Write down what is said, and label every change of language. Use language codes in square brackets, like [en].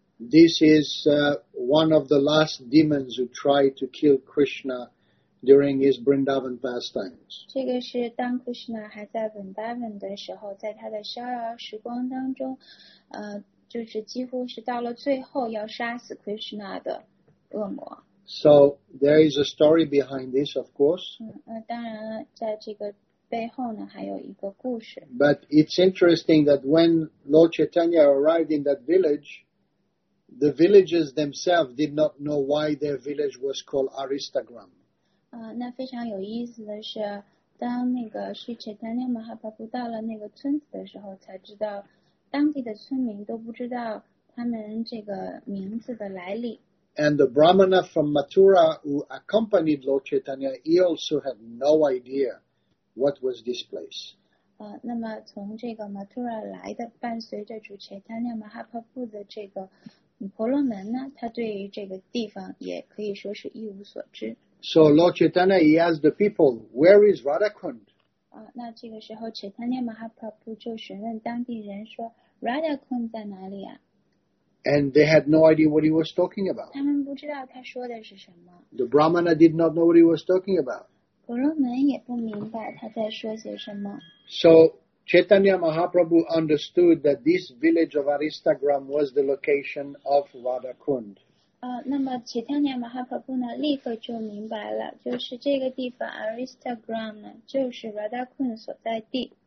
[en] This is one of the last demons who tried to kill Krishna during his Vrindavan pastimes. [zh] 这个是当 Krishna 还在 Vrindavan 的时候在他的逍遥时光当中就是几乎是到了最后要杀死 Krishna 的恶魔。 [en] So there is a story behind this, of course. [zh] 当然了，在这个背后呢，还有一个故事。 [en] But it's interesting that when Lord Chaitanya arrived in that village, the villagers themselves did not know why their village was called Aristagram. [zh] 那非常有意思的是，当那个是 Chaitanya Mahaprabhu 到了那个村子的时候，才知道当地的村民都不知道他们这个名字的来历。 [en] And the Brahmana from Mathura who accompanied Lord Chaitanya, he also had no idea what was this place. [zh] 那么从这个 Mathura 来的伴随着主 Chaitanya Mahaprabhu 的这个婆罗门呢他对于这个地方也可以说是一无所知。 [en] So Lord Chaitanya, he asked the people, where is Radhakund? [zh] 那这个时候 Chaitanya Mahaprabhu 就询问当地人说 Radhakund 在哪里啊？ [en] And they had no idea what he was talking about. [zh] 他们不知道他说的是什么。 [en] The Brahmana did not know what he was talking about. [zh] 婆罗门也不明白他在说些什么。 [en] So Chaitanya Mahaprabhu understood that this village of Aristagram was the location of Radhakund. [zh] 那么 Chaitanya Mahaprabhu 呢立刻就明白了，就是这个地方 Aristagram 呢就是 Radhakund 所在地。